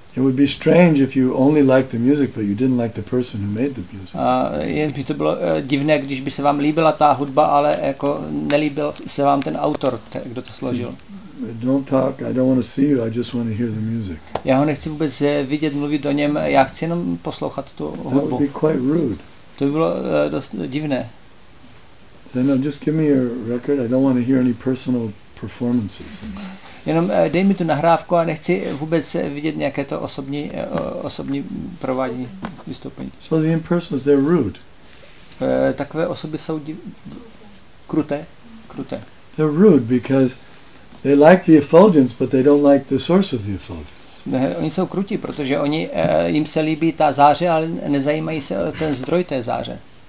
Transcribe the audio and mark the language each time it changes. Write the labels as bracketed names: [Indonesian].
[English] It would be strange if you only liked the music, but you didn't like the person who made the music. [Czech] Jen by to bylo divné, když by se vám líbila ta hudba, ale jako nelíbil se vám ten autor, kdo to složil. [English] Don't talk. I don't want to see you. I just want to hear the music. [Czech] Já ho nechci vůbec vidět, mluvit o něm. Já chci jenom poslouchat tu hudbu. [English] That would be quite rude. [Czech] To by bylo dost divné. [English] Say, no, just give me your record. I don't want to hear any personal performances. [Czech] Jenom dej mi tu nahrávku a nechci vůbec vidět nějaké to osobní provádění vystoupení. [English] So the impersonals, they're rude. [Czech] Takové osoby jsou kruté. [English] They're rude because they like the effulgence, but they don't like the source of the effulgence. [Czech] Oni jsou krutí, protože oni jim se líbí ta záře, ale nezajímají se o ten zdroj té záře.